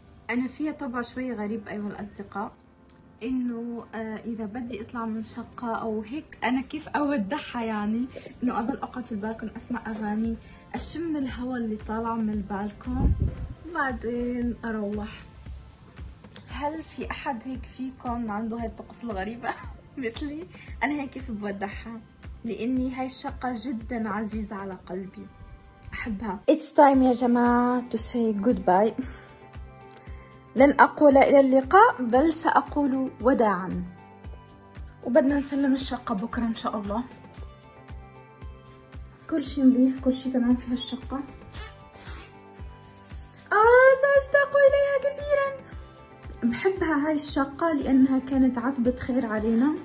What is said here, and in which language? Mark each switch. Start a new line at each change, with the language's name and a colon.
Arabic: انا فيها طبع شوي غريب ايها الاصدقاء، انه اذا بدي اطلع من شقة او هيك انا كيف اودعها، يعني انه اضل اقعد في البالكون اسمع اغاني اشم الهواء اللي طالع من البالكون بعدين اروح. هل في احد هيك فيكم عنده هاي الطقس الغريبة مثلي؟ انا هيك كيف بودعها، لاني هاي الشقة جدا عزيزة على قلبي احبها.
English: It's time
Arabic: يا جماعة
English: to say goodbye.
Arabic: لن أقول إلى اللقاء بل سأقول وداعا، وبدنا نسلم الشقة بكرة إن شاء الله. كل شيء نظيف، كل شيء تمام في هالشقة. سأشتاق إليها كثيرا. بحبها هاي الشقة لأنها كانت عتبة خير علينا،